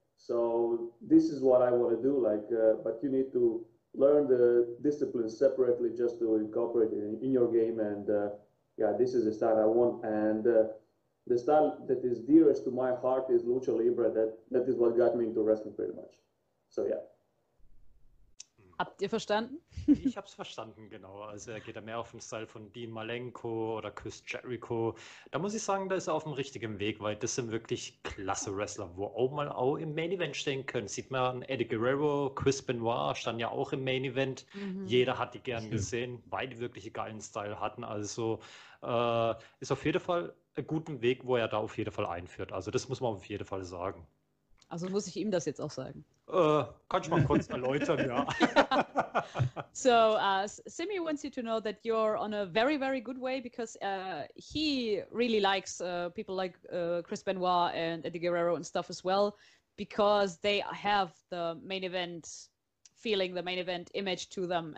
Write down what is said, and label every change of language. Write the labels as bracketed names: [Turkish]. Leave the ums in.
[English] So this is what I want to do. Like, uh, But you need to learn the discipline separately just to incorporate it in, in, your game. And uh, yeah, this is the style I want. And uh, the style that is dearest to my heart is Lucha Libre. That, that is what got me into wrestling pretty much. So yeah. [German] Habt ihr verstanden? ich habe es verstanden, genau. Also er geht ja mehr auf den Style von Dean Malenko oder Chris Jericho. Da muss ich sagen, da ist er auf dem richtigen Weg, weil das sind wirklich klasse Wrestler, wo auch mal auch im Main Event stehen können. Sieht man Eddie Guerrero, Chris Benoit stand ja auch im Main Event. Mhm. Jeder hat die gern gesehen, weil die wirklich geilen Style hatten. Also äh, ist auf jeden Fall einen guten Weg, wo er ja da auf jeden Fall einführt. Also das muss man auf jeden Fall sagen. Also muss ich ihm das jetzt auch sagen. Uh, [English] so, uh, Simi wants you to know that you're on a very, very good way because uh, he really likes people like Chris Benoit and Eddie Guerrero and stuff as well because they have the main event feeling, the main event image to them.